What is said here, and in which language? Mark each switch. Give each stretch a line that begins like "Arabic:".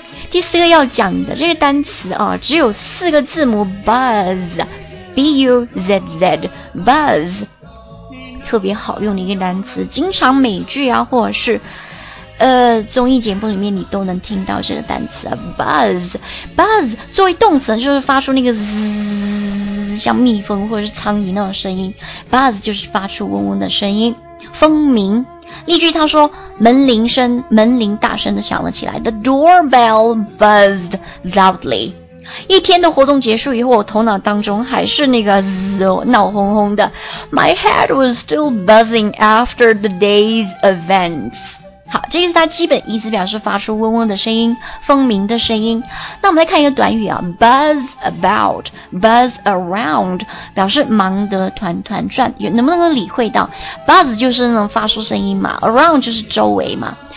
Chinese: 第四个要讲的这个单词啊，只有四个字母 buzz buzz，特别好用的一个单词，经常美剧啊或者是综艺节目里面你都能听到这个单词、buzz 作为动词就是发出那个嘶，像蜜蜂或者是苍蝇那种声音。 buzz 就是发出嗡嗡的声音，蜂鸣。例句，他说门铃大声的响了起来，
English: The doorbell buzzed loudly。
Chinese: 一天的活动结束以后，我头脑当中还是那个闹哄哄的。
English: My head was still buzzing after the day's events。
Chinese: 好，这个是它基本意思，表示发出嗡嗡的声音，蜂鸣的声音。那我们来看一个短语啊，
English: buzz about buzz around，
Chinese: 表示忙得团团转，能不能理会到？ buzz 就是那种发出声音嘛， around 就是周围嘛，